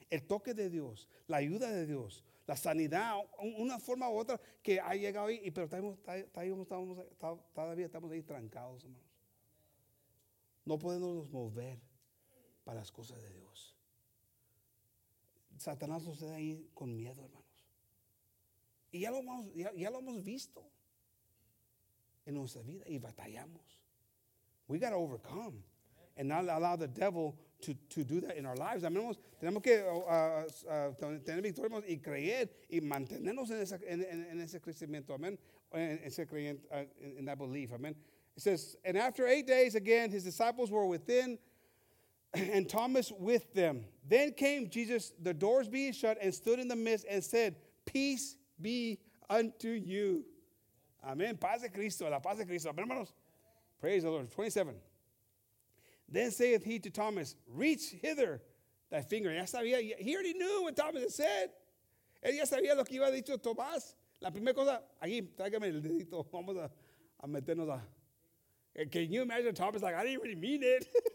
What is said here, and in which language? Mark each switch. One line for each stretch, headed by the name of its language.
Spanish: El toque de Dios, la ayuda de Dios, la sanidad, una forma u otra que ha llegado ahí, pero todavía estamos ahí trancados, hermanos. No podemos nos mover para las cosas de Dios. Satanás nos está ahí con miedo, hermanos. Y ya lo hemos visto en nuestra vida y batallamos.
English: We got to overcome and not allow the devil to do that in our lives.
Spanish: Amemos, tenemos que tener victoria y creer y mantenernos en ese crecimiento.
English: Amen. In that belief. Amen. It says, and after 8 days again, his disciples were within and Thomas with them. Then came Jesus, the doors being shut, and stood in the midst and said, peace be unto you.
Spanish: Amen. Paz de Cristo, la paz de Cristo. Amen, hermanos.
English: Praise the Lord.
Spanish: 27.
English: Then saith he to Thomas, reach hither thy finger.
Spanish: Ya sabía,
English: he already knew what Thomas had said.
Spanish: Él ya sabía lo que iba a decir Tomás. La primera cosa, aquí, tráigame el dedito. Vamos a meternos a.
English: Can you imagine Thomas like, I didn't really mean it.